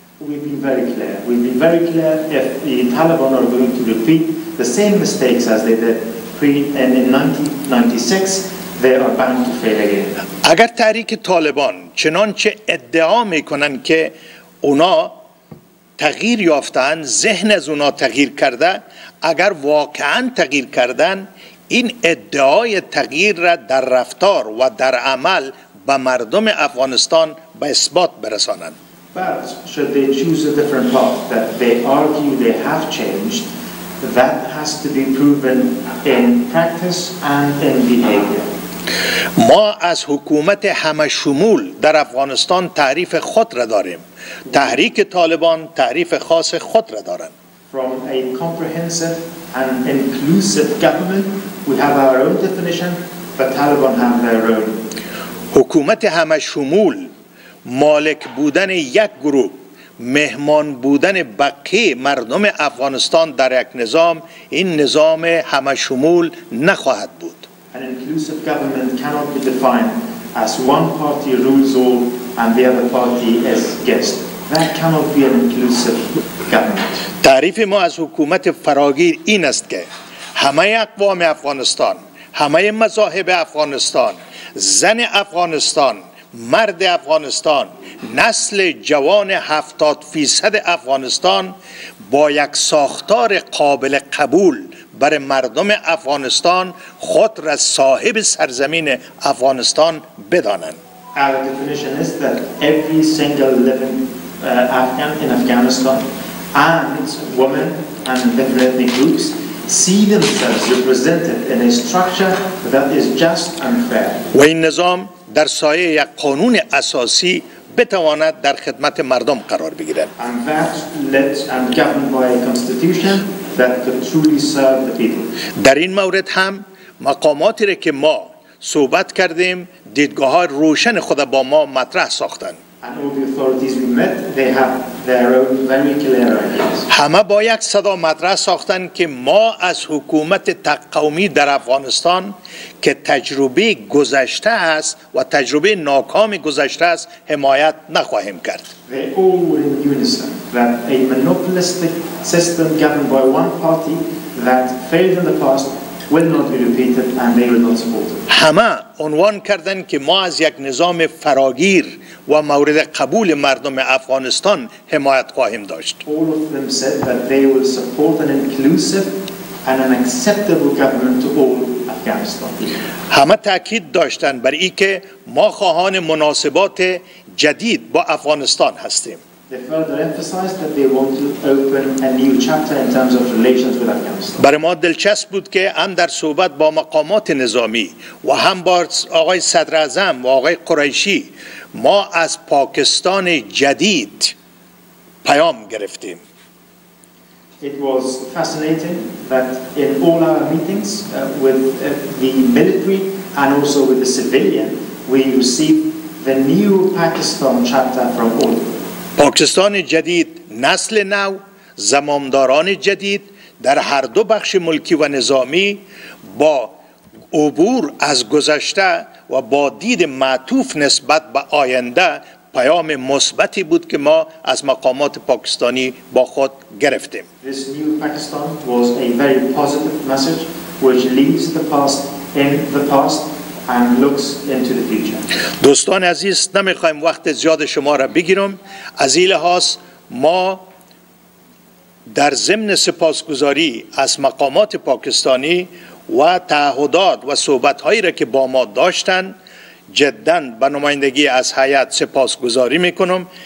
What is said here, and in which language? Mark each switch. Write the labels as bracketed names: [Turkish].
[English] We've been very clear. We've been very clear if the Taliban are going to repeat the same mistakes as they did in 1996, they are bound to fail again. [Persian] اگر تحریک طالبان چنانچه ادعا میکنند که اونا تغییر یافتند، ذهن از اونا تغییر کرده، اگر واقعا تغییر کردن، این ادعای تغییر را در رفتار و در عمل به مردم افغانستان به اثبات برسانند. [English] But should they choose a different path that they argue they have changed, that has to be proven in practice and in behavior. [Persian] ما از حکومت همشمول در افغانستان تعریف خود را داریم. تحریک طالبان تعریف خاص خود را دارند. [English] From a comprehensive and inclusive government, we have our own definition, but Taliban have their own. [Persian] حکومت همشمول مالک بودن یک گروه، مهمان بودن بقیه مردم افغانستان در یک نظام، این نظام همشمول نخواهد بود. [English] An inclusive government cannot be defined as one party rules all and the other party is guest. That cannot be an inclusive government. [Persian] تعریف ما از حکومت فراگیر این است که همه اقوام افغانستان، همه مذاهب افغانستان، زن افغانستان، مرد افغانستان، نسل جوان 70% افغانستان با یک ساختار قابل قبول برای مردم افغانستان خود را صاحب سرزمین افغانستان بدانند. [English] Our definition is that every single living Afghan in Afghanistan and women and different ethnic groups see themselves represented in a structure that is just and fair. [Persian] و این نظام در سایه یک قانون اساسی بتواند در خدمت مردم قرار بگیرد. [English] And that led and governed by a constitution that could truly serve the people. [Persian] در این مورد هم مقاماتی را که ما صحبت کردیم دیدگاه روشن خود با ما مطرح ساختند. [English] And all the authorities we met, they have their own very clear ideas. [Persian] همه با یک صدا مطرح ساختند که ما از حکومت تقومی در افغانستان که تجربه گذشته است و تجربه ناکام گذشته است حمایت نخواهیم کرد. [English] They all were in unison that a monopolistic system governed by one party that failed in the past will not be repeated and they will not support it. [Persian] همه عنوان کردند که ما از یک نظام فراگیر و مورد قبول مردم افغانستان حمایت خواهیم داشت. [English] All of them said that they will support an inclusive and an acceptable government to all Afghanistan. [Persian] همه تأکید داشتند بر این که ما خواهان مناسبات جدید با افغانستان هستیم. [English] They further emphasized that they want to open a new chapter in terms of relations with Afghanistan. [Persian] برای ما دلچسب بود که هم در صحبت با مقامات نظامی و هم با آقای صدر اعظم و آقای قریشی ما از پاکستان جدید پیام گرفتیم. [English] It was fascinating that in all our meetings with the military and also with the civilian, we received the new Pakistan chapter from all. [Persian] پاکستان جدید، نسل نو، زمامداران جدید در هر دو بخش ملکی و نظامی با عبور از گذشته و با دید معطوف نسبت به آینده پیام مثبتی بود که ما از مقامات پاکستانی با خود گرفتیم. [English] This new Pakistan was a very positive message which leaves the past in the past and looks into the future. [Persian] دوستان عزیز، نمیخوایم وقت زیاد شما را بگیرم. از این لحاظ ما در ضمن سپاسگزاری از مقامات پاکستانی و تعهدات و صحبت‌هایی را که با ما داشتن جداً به نمایندگی از هیئت سپاسگزاری می‌کنم.